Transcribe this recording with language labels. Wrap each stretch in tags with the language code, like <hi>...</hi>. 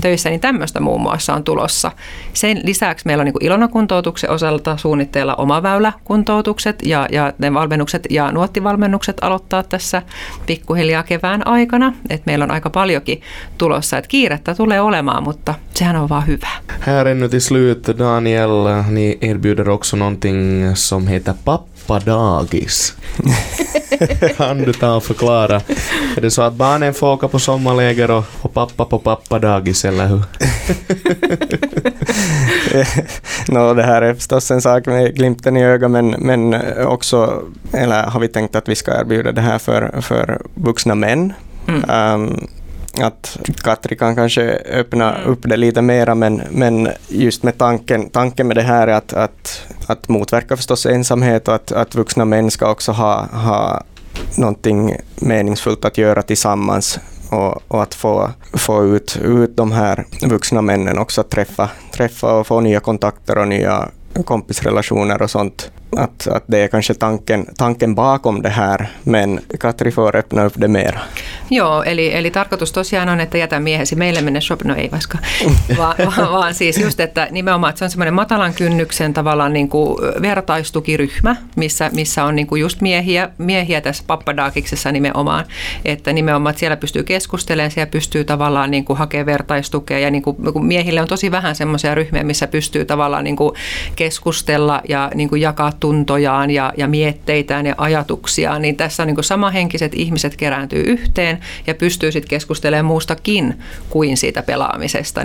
<fi>Niin tämmöistä muun muassa on tulossa. Sen lisäksi meillä on niin kuin Ilona-kuntoutuksen osalta suunnitteilla omaväyläkuntoutukset ja ne valmennukset ja nuottivalmennukset aloittaa tässä pikkuhiljaa kevään aikana. Että meillä on aika paljonkin tulossa, että kiirettä tulee olemaan, mutta sehän on vaan hyvä.</fi> <sv>Här ännu till slut, Daniel, ni erbjuder också någonting som heter pappadagis. Kan du ta och förklara? Är det så att barnen får åka på sommarläger och pappa på pappadagis, eller hur? No, det här är förstås en sak med glimten i ögat, men också, eller har vi tänkt att vi ska erbjuda det här för vuxna män. Att Katri kan kanske öppna upp det lite mera, men just med tanken med det här är att motverka förstås ensamhet, och att vuxna män ska också ha någonting meningsfullt att göra tillsammans, och att få ut de här vuxna männen också, att träffa och få nya kontakter och nya kompisrelationer och sånt. Att det är kanske tanken bakom det här, men Katri får öppna upp det mera.</sv> <fi>Joo, eli tarkoitus tosiaan on, että jätä miehesi meille mennä shopping, no ei vaikka, vaan siis just, että nimenomaan, että se on semmoinen matalan kynnyksen tavallaan niin kuin vertaistukiryhmä, missä on niin kuin just miehiä tässä pappadaakiksessa nimenomaan, että nimenomaan, että siellä pystyy keskustelemaan, siellä pystyy tavallaan niin kuin hakemaan vertaistukea, ja niin kuin miehille on tosi vähän semmoisia ryhmiä, missä pystyy tavallaan niin kuin keskustella ja niin kuin jakaa tuntojaan ja mietteitään ja ajatuksiaan, niin tässä on niin kuin samahenkiset ihmiset kerääntyy yhteen, ja pystyy sitten keskustelemaan muustakin kuin siitä pelaamisesta.</fi>